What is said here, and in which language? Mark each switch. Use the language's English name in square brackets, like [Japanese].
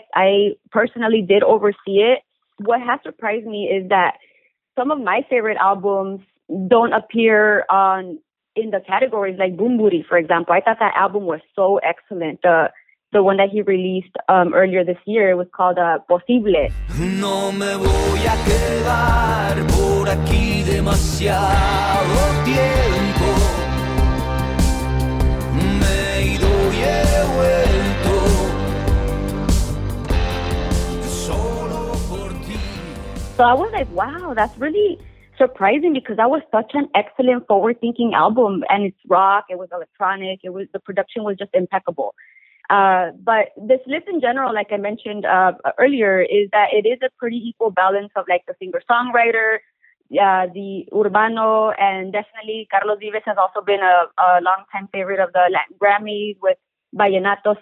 [English] I personally did oversee it. What has surprised me is that some of my favorite albums don't appear on in the categories, like Boom Booty, for example. I thought that album was so excellent. The one that he released earlier this year, it was called Posible. [Spanish] No me voy a quedar por aquí demasiado tiempo. Me he ido y he vuelto solo por ti. [English] So I was like, wow, that's really surprising, because that was such an excellent forward-thinking album, and it's rock, it was electronic, it was, the production was just impeccable. But this list in general, like I mentioned earlier, is that it is a pretty equal balance of like the singer-songwriter, the Urbano, and definitely Carlos Vives has also been a long-time favorite of the Grammys with Vallenato.